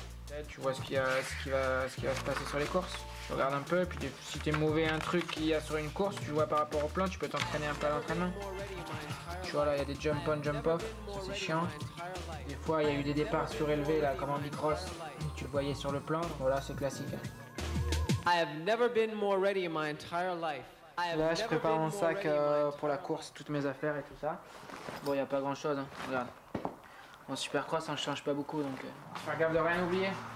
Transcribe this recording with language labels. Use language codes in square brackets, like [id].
[fr] Là, tu vois ce qui va se passer sur les courses. Tu regardes un peu et puis si t'es mauvais un truc qu'il y a sur une course, tu vois par rapport au plan, tu peux t'entraîner un peu à l'entraînement. Tu vois là, il y a des jump on, jump off, ça, c'est chiant. Des fois, il y a eu des départs surélevés, là, comme en bicross. Tu le voyais sur le plan. Voilà, c'est classique. [en] I have never been more ready in my entire life. [fr] Là, je prépare mon sac pour la course, toutes mes affaires et tout ça. Bon, il n'y a pas grand-chose, hein. Regarde. En supercross, ça ne change pas beaucoup, donc... Faire gaffe de rien oublier.